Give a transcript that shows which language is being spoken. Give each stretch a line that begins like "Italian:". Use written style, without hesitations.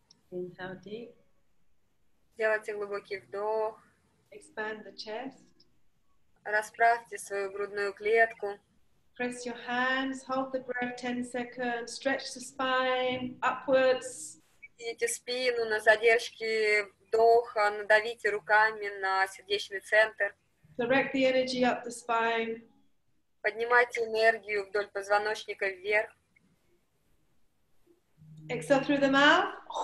English: Inhale deep.
Russian: Сделайте глубокий вдох.
English: Expand the chest.
Russian: Расправьте свою грудную клетку.
English: Press your hands, hold the breath 10 seconds, stretch the spine upwards.
Russian: Идите спину на задержке вдоха, надавите руками на сердечный центр.
English: Direct the energy up the spine.
Russian: Поднимайте энергию вдоль позвоночника вверх.
English: Exhale through the mouth.